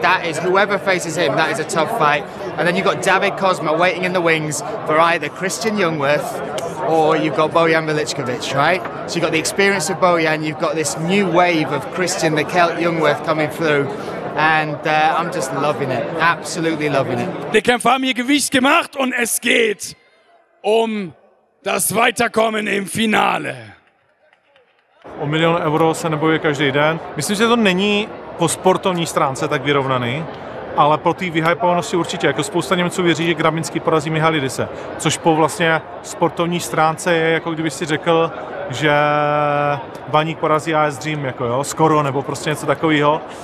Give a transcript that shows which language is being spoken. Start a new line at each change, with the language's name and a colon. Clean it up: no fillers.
English: That is, whoever faces him, that is a tough fight. And then you've got David Cosma waiting in the wings for either Christian Youngworth or you've got Bojan Miličković, right? So you've got the experience of Bojan, you've got this new wave of Christian, the Celt Youngworth coming through, and I'm just loving it, absolutely loving it.
German: Die Kämpfer haben ihr Gewicht gemacht und es geht um das Weiterkommen im Finale.
Czech: O milion euro se nebojuje každý den. Myslím, že to není po sportovní stránce tak vyrovnaný, ale po té vyhypovanosti určitě, jako spousta Němců věří, že Grabinský porazí Mihalidise, což po vlastně sportovní stránce je, jako kdyby si řekl, že Baník porazí AS Dream, jako jo, skoro, nebo prostě něco takového.